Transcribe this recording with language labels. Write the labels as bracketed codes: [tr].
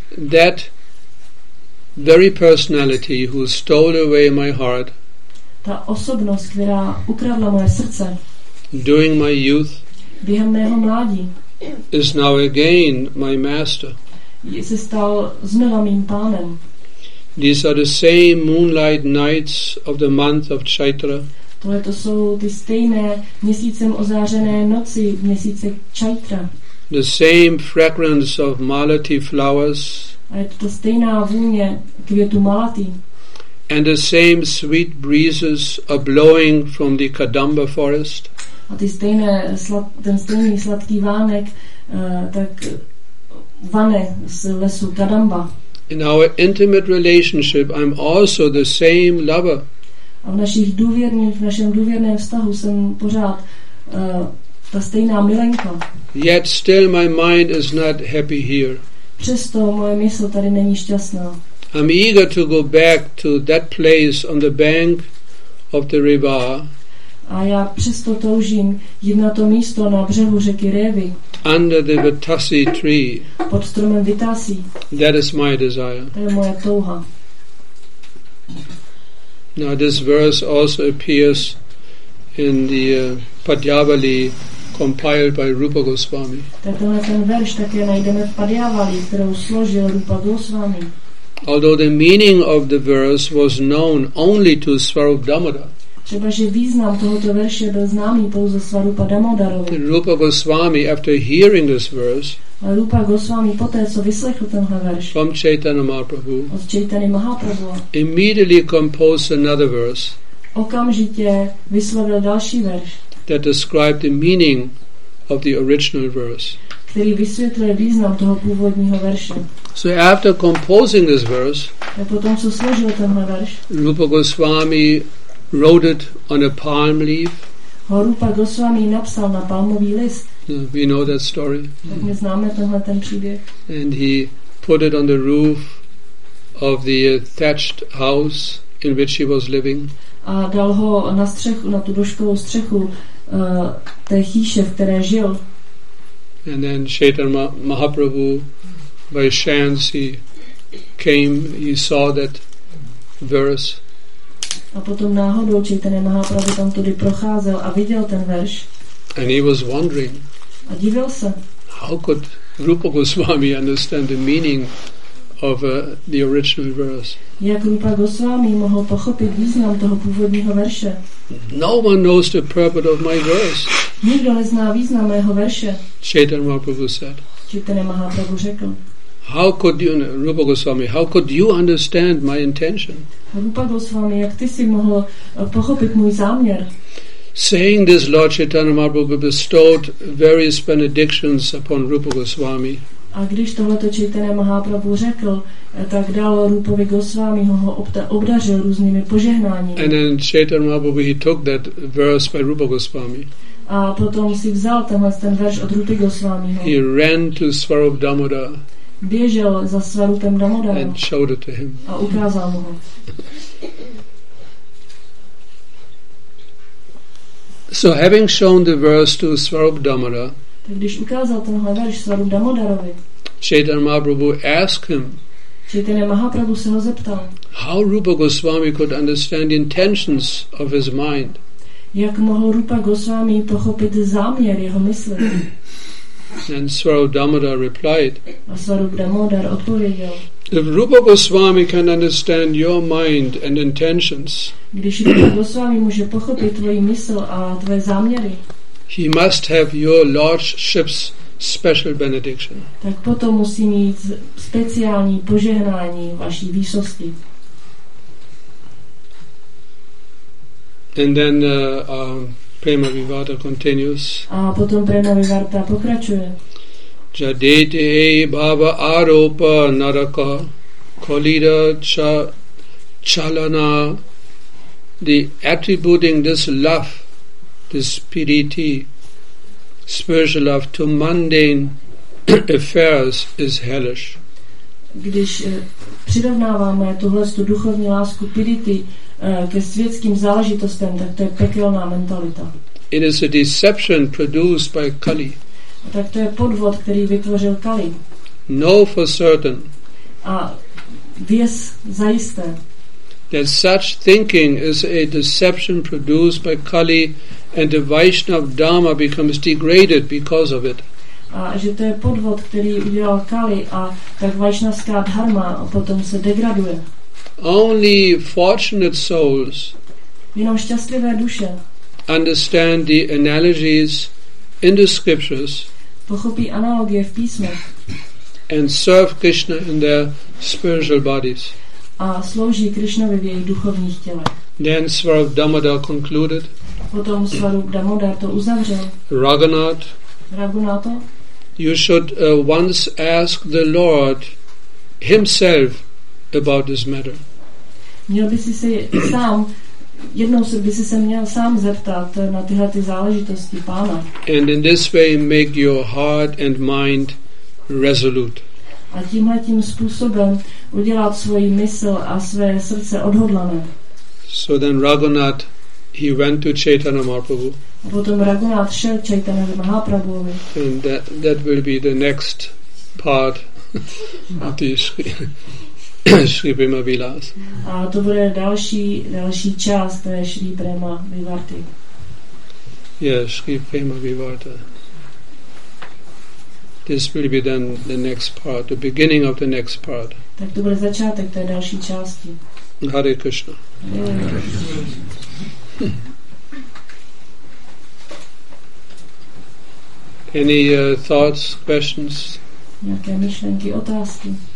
[en] That very personality who stole away my heart, [cs] ta osobnost, která ukradla moje srdce, [en] during my youth, [cs] během mého mládí, [en] is now again my master. [cs] Se stal znova mým pánem. [en] These are the same moonlight nights of the month of Chaitra. [cs] Tohle to jsou ty stejné měsícem ozářené noci měsíce Chaitra. [en] the same fragrance of malati flowers, [cs] a je to ta stejná vůně květu malati, [en] and the same sweet breezes are blowing from the Kadamba forest, [cs] a ty stejné, ten stejný sladký vánek tak vane z lesu Kadamba. [en] In our intimate relationship, I'm also the same lover. [cs] A v našem důvěrném vztahu jsem pořád ta stejná milenka. [en] Yet still my mind is not happy here. [cs] Přesto moje mysl tady není šťastná. [en] I'm eager to go back to that place on the bank of the river. [cs] A já přesto toužím jít na to místo na břehu řeky Révy. [en] Under the Vitasi tree. [cs] Pod stromem Vitasi. [en] That is my desire. [cs] To je moje touha. [en] Now this verse also appears in the Padyavali compiled by Rupa Goswami. [cs] Tenhle ten verš také najdeme v Padyavali, kterou složil Rupa Goswami. [en] Although the meaning of the verse was known only to Swarup Damodar. [cs] Třeba, že význam tohoto verše byl známý pouze Svarupa Damodarovi. [en] Rupa Goswami, after hearing this verse, [cs] a Rupa Goswami poté, co vyslechl tenhle verš, [en] from Chaitanya Mahaprabhu, [cs] od Chaitany Mahaprabhu, [en] immediately composed another verse, [cs] okamžitě vyslovil další verš, [en] that described the meaning of the original verse, [cs] který vysvětluje význam toho původního verše. [en] So after composing this verse, [cs] a potom, co složil tenhle verš, [en] Rupa Goswami wrote it on a palm leaf. [cs] Rupa Goswami napsal na palmový list. [en] We know that story. [cs] Tak my známe tenhle ten příběh. [en] And he put it on the roof of the thatched house in which he was living. [cs] A dal ho na střechu, na tu doškovou střechu té chýše, v které žil. [en] And then Chaitanya Mahaprabhu, by chance, he came, he saw that verse. [cs] A potom náhodou Chaitanya Mahaprabhu tam tudy procházel a viděl ten verš. [en] And he was wondering. [cs] A divil se. [en] How could Rupa Goswami understand the meaning of the original verse? [cs] Jak Rupa Goswami mohl pochopit význam toho původního verše? [en] No one knows the purpose of my verse. [cs] Nikdo nezná význam mého verše. [en] Chaitanya Mahaprabhu said. [cs] Chaitanya Mahaprabhu řekl. [en] How could you, Rupa Goswami, how could you understand my intention? [cs] Rupa Goswami, jak ty si mohl pochopit můj záměr? [en] Saying this, Lord Chaitanya Mahaprabhu bestowed various benedictions upon Rupa Goswami. [cs] A když tohleto Chaitanya Mahaprabhu řekl, tak dal Rupovi Goswami, ho obdařil různými požehnáními. [en] And then Chaitanya Mahaprabhu, he took that verse by Rupa Goswami. [cs] A potom si vzal tenhle ten verš od Rupy Goswami. [en] He ran to Swarup Damodar. [cs] Běžel za Svarupem Damodarem. [en] And showed it to him. [cs] A ukázal mu ho. [en] So having shown the verse to Swarup Damodara, [cs] tak když ukázal tenhle verš Svarup Damodarovi, [en] Chaitanya Mahaprabhu asked him, [cs] Chaitanya Mahaprabhu se ho zeptal, [en] how Rupa Goswami could understand the intentions of his mind. [cs] Jak mohl Rupa Goswami pochopit záměr jeho mysli? [en] And Swarup Damodar replied, [cs] a Swarup Damodar odpověděl, [en] if Rupa Goswami can understand your mind and intentions, [cs] když Rupa Goswami může pochopit tvoji mysl a tvoje záměry, [en] he must have your lordship's special benediction. [cs] Tak potom musí mít speciální požehnání vaší výsosti. [en] And then Prema Vivarta continues. [cs] A potom Prema Vivarta pokračuje. [bn] Jadete bhava aropa naraka kolira cha chalana. [en] The attributing this love, this piriti, spiritual love, to mundane affairs is hellish. [cs] Když přirovnáváme tuhle duchovní lásku piriti ke světským záležitostem, tak to je pekelná mentalita. [en] It is a deception produced by Kali. [cs] Tak to je podvod, který vytvořil Kali. [en] Know for certain. [cs] A věz zajisté. [en] That such thinking is a deception produced by Kali, and the Vaishnav Dharma becomes degraded because of it. [cs] A že to je podvod, který udělal Kali, a tak Vaishnavská dharma potom se degraduje. [en] Only fortunate souls, [cs] jenom šťastlivé duše, [en] understand the analogies in the scriptures, [cs] pochopí analogie v písmech. [en] And serve Krishna in their spiritual bodies. [cs] A slouží Krishnovi v jejich duchovních tělech. [en] Then Swarup Damodar concluded. [cs] Potom Swarup Damodar to uzavřel. [en] Raghunatho, you should once ask the Lord himself about this matter. [cs] Měl by si se sám, jednou by si se měl sám zeptat na tyhle ty záležitosti Pána. [en] And in this way make your heart and mind resolute. [cs] A tímhle tím způsobem udělat svoji mysl a své srdce odhodlané. [en] So then Raghunath, he went to Chaitanya Mahaprabhu. [cs] A potom Raghunath šel Chaitanya Mahaprabhuovi. [en] And that will be the next part of the Shri Prema Vilas. [cs] A to bude další část, to je Shri Prema Vivarti. [en] Yes, Shri Prema Vivarta. This will be then the next part, the beginning of the next part. [cs] Tak to bude začátek té další části. [en] Hare Krishna. Any thoughts, questions? [cs] Nějaké myšlenky, otázky?